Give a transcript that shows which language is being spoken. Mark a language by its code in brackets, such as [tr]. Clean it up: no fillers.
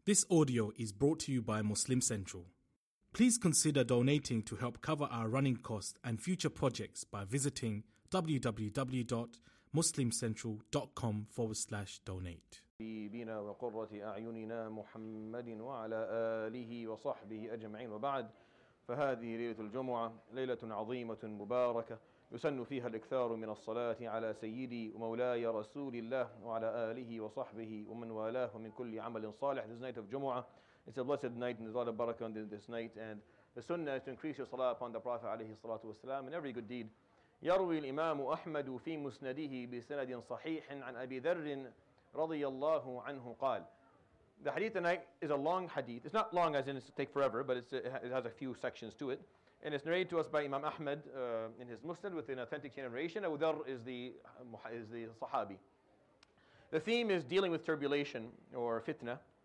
[en] This audio is brought to you by Muslim Central. Please consider donating to help cover our running costs and future projects by visiting www.muslimcentral.com/donate. [ar] حبيبنا وقرة أعيننا محمد وعلى آله وصحبه أجمعين وبعد فهذه ليلة الجمعة ليلة عظيمة مباركة يسن فيها الإكثار من الصلاة على سيدي ومولاي رسول الله وعلى آله وصحبه ومن والاه ومن كل عمل صالح. [en] This night of Jumu'ah, it's a blessed night and there's a lot of barakah on this night, and the sunnah is to increase your salah upon the Prophet [ar] عليه الصلاة والسلام [en] and every good deed. [ar] يروي الإمام أحمد في مسنده بسند صحيح عن أبي ذر رضي الله عنه قال. [en] The hadith tonight is a long hadith. It's not long as in it take forever, but it has a few sections to it. And it's narrated to us by Imam Ahmad in his Musnad with an authentic narration. Abu Dharr is the Sahabi. The theme is dealing with tribulation or fitna.